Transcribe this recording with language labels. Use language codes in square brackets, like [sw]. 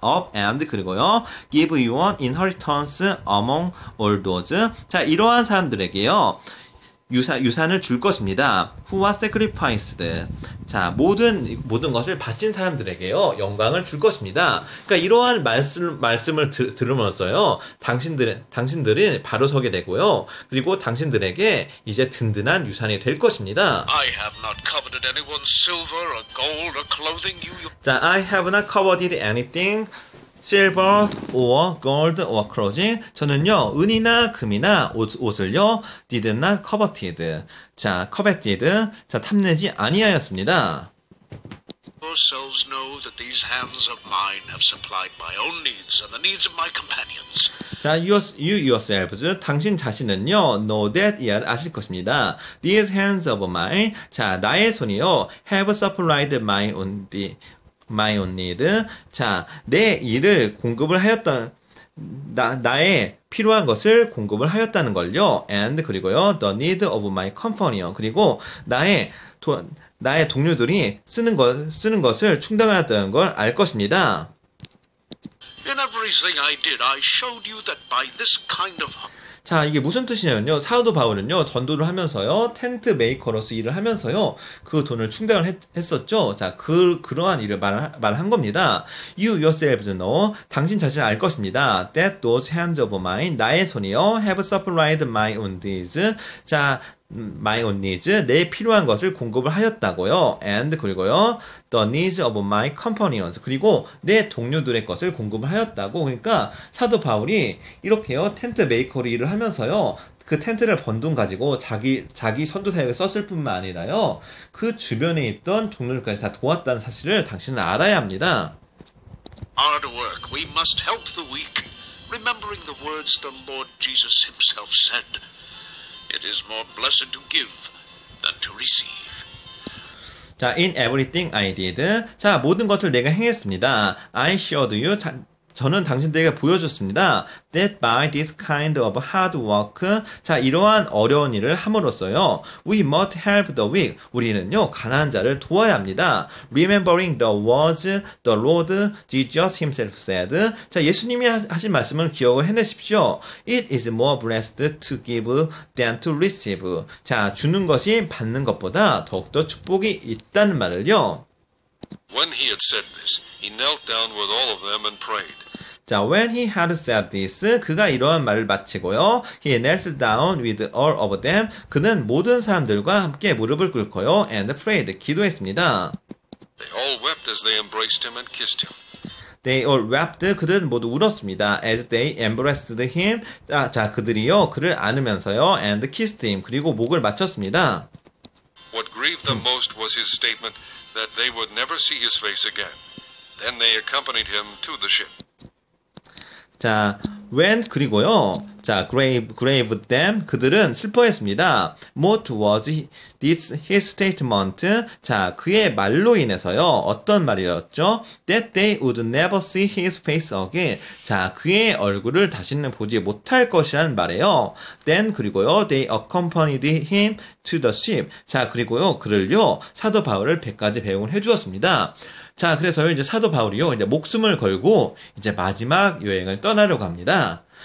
[en] up and 그리고요, give you an inheritance among all those. [ko] 자 이러한 사람들에게요, 유산을 줄 것입니다. [en] who are sacrificed. [ko] 자 모든 것을 바친 사람들에게요 영광을 줄 것입니다. 그러니까 이러한 말씀을 들으면서요 당신들은 바로 서게 되고요. 그리고 당신들에게 이제 든든한 유산이 될 것입니다. [en] I have not coveted anyone's silver or gold or clothing. You... 자 I have not coveted anything. Silver or gold or clothing. [ko] 저는요 은이나 금이나 옷을요 [en] did not coveted. [ko] 자 coveted. 자 탐내지 아니하였습니다. [en] Yourselves know that these hands of mine have supplied my own needs and the needs of my companions. [ko] 자 [en] you yourselves. [ko] 당신 자신은요 [en] know that [ko] 이 아실 것입니다. [en] These hands of mine. 자 나의 손이요 have supplied my own needs. My own need. [ko] 자, 내 일을 공급을 하였던 나의 필요한 것을 공급을 하였다는 걸요. [en] And 그리고요, the need of my companion. [ko] 그리고 나의 동료들이 쓰는 것을 충당하였다는 걸 알 것입니다. [en] In everything I did, I showed you that by this kind of [ko] 자 이게 무슨 뜻이냐면요 사도 바울은요 전도를 하면서요 텐트 메이커로서 일을 하면서요 그 돈을 충당을 했었죠. 자 그러한 일을 말한 겁니다. [en] You yourselves know [ko] 당신 자신 알 것입니다. [en] That those hands of mine [ko] 나의 손이요 [en] have supplied my own needs. [ko] 자 [en] my own needs [ko] 내 필요한 것을 공급을 하였다고요. And 그리고요 [en] the needs of my companions [ko] 그리고 내 동료들의 것을 공급을 하였다고. 그러니까 사도 바울이 이렇게요 텐트 메이커로 일을 하면서요 그 텐트를 번 돈 가지고 자기 선도 사역에 썼을 뿐만 아니라요 그 주변에 있던 동료들까지 다 도왔다는 사실을 당신은 알아야 합니다. [en] Hard work. We must help the weak, remembering the words the Lord Jesus Himself said. It is more blessed to give than to receive. 자, in everything I did. [ko] 자, 모든 것을 내가 행했습니다. [en] I showed you. [ko] 저는 당신들에게 보여줬습니다. [en] That by this kind of hard work. [ko] 자, 이러한 어려운 일을 함으로써요. [en] We must help the weak. [ko] 우리는요, 가난한 자를 도와야 합니다. [en] Remembering the words the Lord Jesus himself said. [ko] 자, 예수님이 하신 말씀을 기억을 해내십시오. [en] It is more blessed to give than to receive. [ko] 자, 주는 것이 받는 것보다 더욱더 축복이 있다는 말을요. [en] When he had said this, he knelt down with all of them and prayed. 자, when he had said this, [ko] 그가 이러한 말을 마치고요. [en] He knelt down with all of them. [ko] 그는 모든 사람들과 함께 무릎을 꿇고요. [en] And prayed. [ko] 기도했습니다. [en] They all wept as they embraced him and kissed him. They all wept. [ko] 그들은 모두 울었습니다. [en] As they embraced him. [ko] 자, 그들이요. 그를 안으면서요. [en] And kissed him. [ko] 그리고 목을 맞췄습니다. [en] What grieved them most was his statement that they would never see his face again. Then they accompanied him to the ship. [ko] 자, when 그리고요. 자, [en] grave them [ko] 그들은 슬퍼했습니다. [en] What was his statement? [ko] 자, 그의 말로 인해서요. 어떤 말이었죠? [en] That they would never see his face again. [ko] 자, 그의 얼굴을 다시는 보지 못할 것이란 말이에요. [en] Then 그리고요. They accompanied him to the ship. [ko] 자, 그리고요. 그를요. 사도 바울을 배까지 배웅을 해 주었습니다. 자, 그래서요, 이제 사도 바울이요, 이제 목숨을 걸고, 이제 마지막 여행을 떠나려고 합니다.